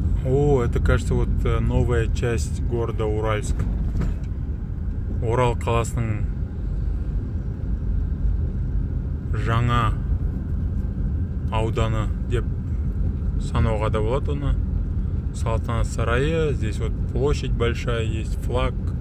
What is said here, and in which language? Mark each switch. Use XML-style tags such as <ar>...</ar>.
<ru>О, это, кажется, вот новая часть города Уральск.</ru> <kk>Орал қаласының жаңа ауданы деп санауға да болады оны.</kk> <ru>Салтанат сарайы, здесь вот площадь большая, есть флаг.</ru>